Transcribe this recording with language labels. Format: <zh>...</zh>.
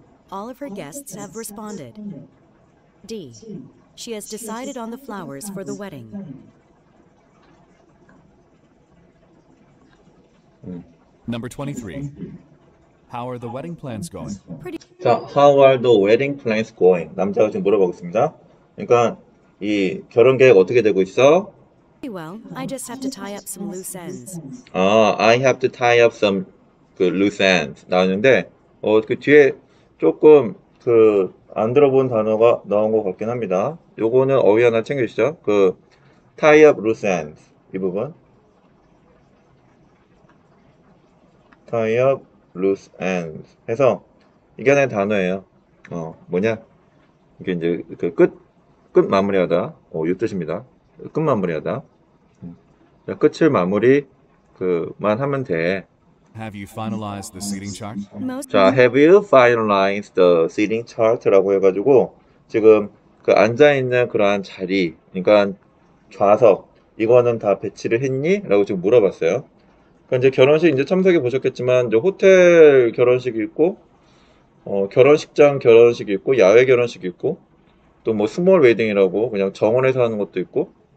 <en>All of her guests have responded. D. She has decided on the flowers for the wedding. 23. How are the wedding plans going?</en> <ko>자,</ko> <en>how are the wedding plans going?</en> <ko>남자가 지금 물어보고 있습니다. 그러니까 이 결혼 계획 어떻게 되고 있어?</ko> <en>Well, I just have to tie up some loose ends. I have to tie up some</en> <ko>그 loose ends 나왔는데 그 뒤에 조금 그안 들어본 단어가 나온 것 같긴 합니다. 요거는 어휘 하나 챙기시죠. 그 tie up loose ends 이 부분. tie up loose ends 해서 이게 하나의 단어예요. 뭐냐? 이게 이제 그 끝 마무리하다. 이 뜻입니다. 끝 마무리하다. 끝을 마무리 그만 하면 돼.</ko> <en>Have you finalized the seating chart?</en> <ko>자,</ko> <en>have you finalized the seating chart</en> <ko>라고 해가지고 지금 그 앉아 있는 그러한 자리, 그러니까 좌석 이거는 다 배치를 했니?라고 지금 물어봤어요. 그러니까 이제 결혼식 이제 참석해 보셨겠지만 이제 호텔 결혼식 있고 결혼식장 결혼식 있고 야외 결혼식 있고 또뭐 스몰 웨딩이라고 그냥 정원에서 하는 것도 있고.</ko>